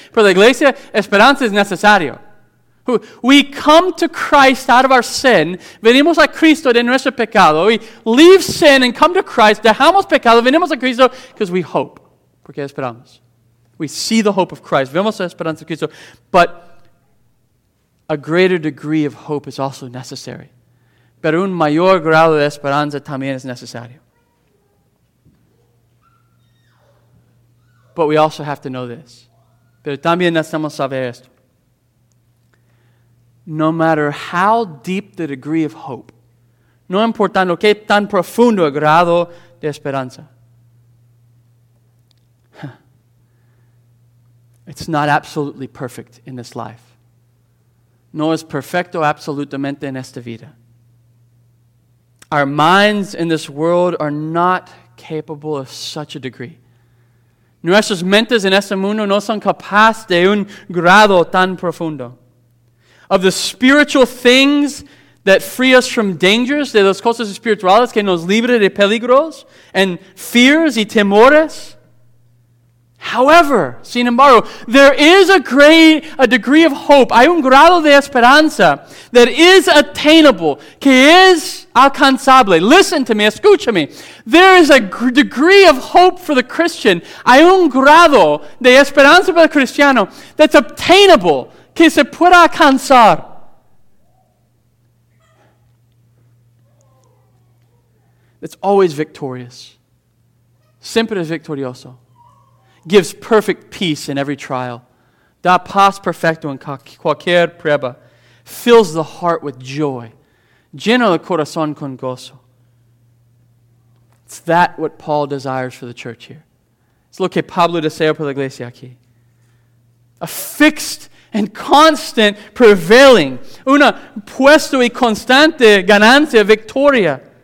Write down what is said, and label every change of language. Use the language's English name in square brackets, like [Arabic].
[Spanish] For la iglesia, esperanza es necesario. [English] We come to Christ out of our sin. [Spanish] Venimos a Cristo de nuestro pecado. [English] We leave sin and come to Christ. [Spanish] Dejamos pecado. Venimos a Cristo [English] because we hope. [Spanish] Porque esperamos. [English] We see the hope of Christ. [Spanish] Vemos la esperanza de Cristo. [English] But a greater degree of hope is also necessary. [Spanish] Pero un mayor grado de esperanza también es necesario. [English] But we also have to know this. [Spanish] Pero también necesitamos saber esto. [English] No matter how deep the degree of hope, [Spanish] no importando qué tan profundo el grado de esperanza, [English] it's not absolutely perfect in this life. [Spanish] No es perfecto absolutamente en esta vida. [English] Our minds in this world are not capable of such a degree. [Spanish] Nuestras mentes en este mundo no son capaces de un grado tan profundo. [English] Of the spiritual things that free us from dangers, [Spanish] de las cosas espirituales que nos libre de peligros, [English] and fears [Spanish] y temores. [English] However, [Spanish] sin embargo, [English] there is a degree of hope. [Spanish] Hay un grado de esperanza [English] that is attainable, [Spanish] que es alcanzable. [English] Listen to me, escúchame. There is a degree of hope for the Christian. [Spanish] Hay un grado de esperanza para el cristiano [English] that's obtainable, [Spanish] que se pueda alcanzar. [English] It's always victorious. [Spanish] Siempre es victorioso. [English] Gives perfect peace in every trial. [Spanish] Da paz perfecto en cualquier prueba. [English] Fills the heart with joy. [Spanish] Llena el corazón con gozo. [English] It's that what Paul desires for the church here. [Spanish] It's lo que Pablo desea por la iglesia aquí. [English] A fixed and constant prevailing. [Spanish] Una puesto y constante ganancia, victoria.